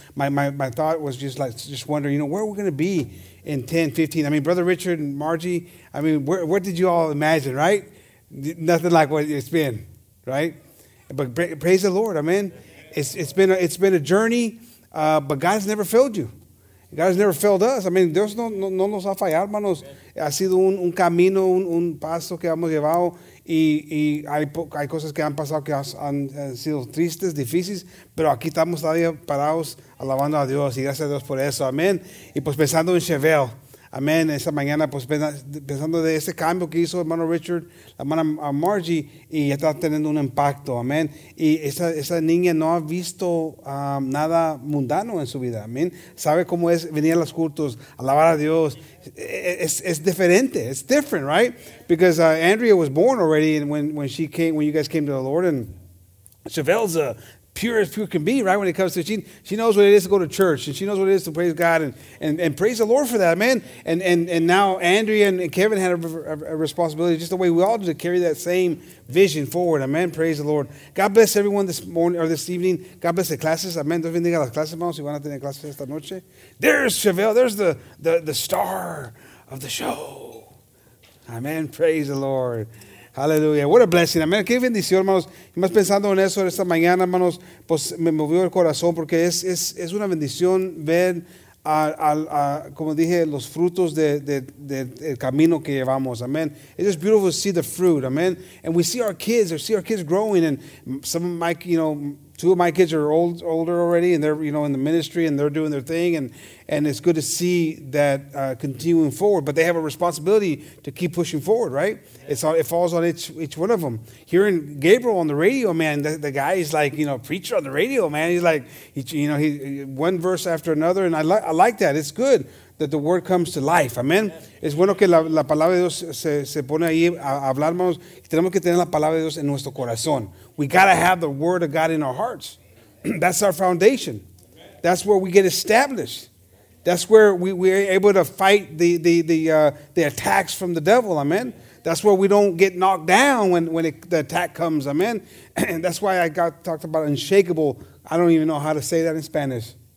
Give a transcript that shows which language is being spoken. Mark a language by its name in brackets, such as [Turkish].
[English] My thought was just wondering, you know, where are we going to be in 10, 15, I mean, Brother Richard and Margie, I mean, what did you all imagine, right? Nothing like what it's been, right? But praise the Lord, amen. It's been a journey, but God has never failed you. God has never failed us. I mean, [Spanish] Dios no nos ha fallado, hermanos. Ha sido un camino, un paso que hemos llevado, y hay cosas que han pasado que han sido tristes, difíciles, pero aquí estamos todavía parados alabando a Dios, y gracias a Dios por eso, amén. Y pues pensando en Chevelle, amén, esa mañana, pues pensando de ese cambio que hizo hermano Richard, la hermana Margie, y ya está teniendo un impacto, amén. Y esa niña no ha visto nada mundano en su vida, amén. Sabe cómo es venir a los cultos, alabar a Dios. Es diferente, [English] it's different, right? Because Andrea was born already, and when you guys came to the Lord, and Chevelle's a pure as pure can be, right? When it comes to she knows what it is to go to church, and she knows what it is to praise God, and praise the Lord for that, amen. And now Andrea and Kevin had a responsibility, just the way we all do, to carry that same vision forward, amen. Praise the Lord. God bless everyone this morning or this evening. God bless the classes, amen. [Spanish] Dios bendiga las clases, hermanos. Si van a tener clases esta noche. [English] There's Chevelle. There's the star of the show. Amen. Praise the Lord. Hallelujah. What a blessing. Amen. [Spanish] Qué bendición, hermanos. Y más pensando en eso esta mañana, hermanos, pues me movió el corazón porque es una bendición ver, a como dije, los frutos del camino que llevamos. [English] Amen. It's just beautiful to see the fruit. Amen. And we see our kids. We see our kids growing. And some of my, you know, two of my kids are older already, and they're, you know, in the ministry, and they're doing their thing, and it's good to see that continuing forward. But they have a responsibility to keep pushing forward, right? It falls on each one of them. Hearing Gabriel on the radio, man, the guy is like, you know, preacher on the radio, man. He's like, he one verse after another, and I like that. It's good that the word comes to life. Amen. [Spanish] Es bueno que la palabra de Dios se pone ahí a hablar, hermanos. Tenemos que tener la palabra de Dios en nuestro corazón. [English] We got to have the word of God in our hearts. That's our foundation. That's where we get established. That's where we're able to fight the attacks from the devil. Amen. That's where we don't get knocked down when the attack comes. Amen. And that's why I got talked about unshakable. I don't even know how to say that in Spanish.